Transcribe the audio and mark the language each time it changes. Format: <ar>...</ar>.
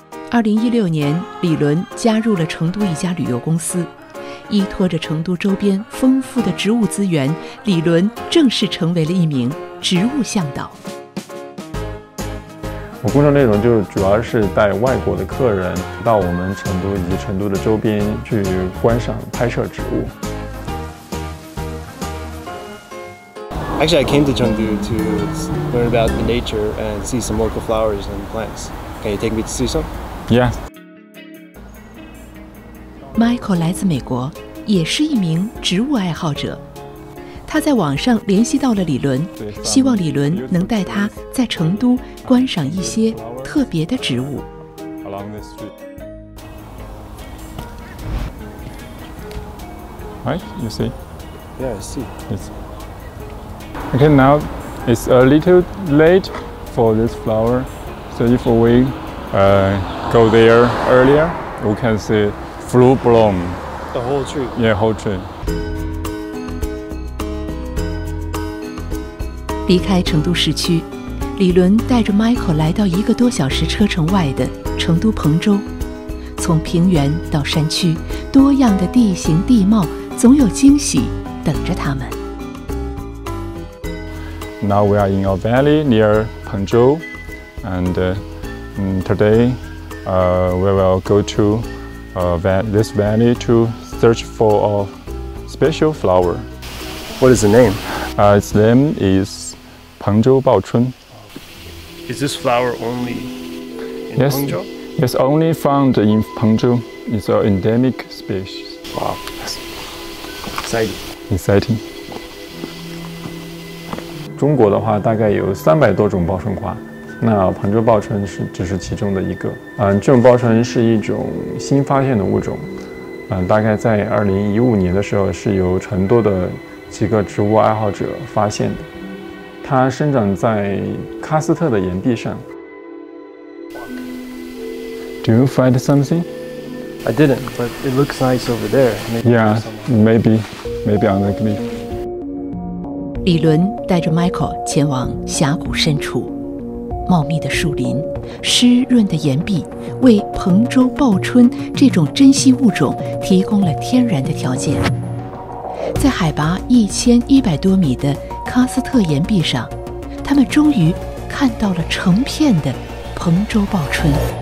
<zh>2016年，李伦加入了成都一家旅游公司，依托着成都周边丰富的植物资源，李伦正式成为了一名植物向导。我工作内容就主要是带外国的客人到我们成都以及成都的周边去观赏拍摄植物。</zh> <en>Actually, I came to Chengdu to learn about the nature and see some local flowers and plants. Can you take me to see some? Yeah.</en> <zh>Michael 来自美国，也是一名植物爱好者。他在网上联系到了李伦，希望李伦能带他在成都观赏一些特别的植物。</zh> <en>Along this street. Right, you see? Yeah, I see. Yes. Okay, now it's a little late for this flower. So if we go there earlier, we can see full bloom. The whole tree? Yeah, whole tree.</en> <zh>离开成都市区，李伦带着 Michael 来到一个多小时车程外的成都彭州。从平原到山区，多样的地形地貌总有惊喜等着他们。</zh> <en>Now we are in a valley near Pengzhou, and today we will go to this valley to search for a special flower. What is the name? Its name is Pengzhou Bao Chun. Is this flower only in yes, Pengzhou? Yes, it's only found in Pengzhou. It's an endemic species. Wow, yes. Exciting. Exciting.</en> <zh>中国的话大概有300多种报春花，那彭州报春是只是其中的一个。这种报春是一种新发现的物种，大概在2015年的时候是由成都的几个植物爱好者发现的。它生长在喀斯特的岩壁上。</zh> <en>Do you find something? I didn't, but it looks nice over there. Maybe yeah, maybe, maybe on the cliff.</en> <zh>李伦带着 Michael 前往峡谷深处，茂密的树林、湿润的岩壁为彭州报春这种珍稀物种提供了天然的条件。在海拔1100多米的喀斯特岩壁上，他们终于看到了成片的彭州报春。</zh>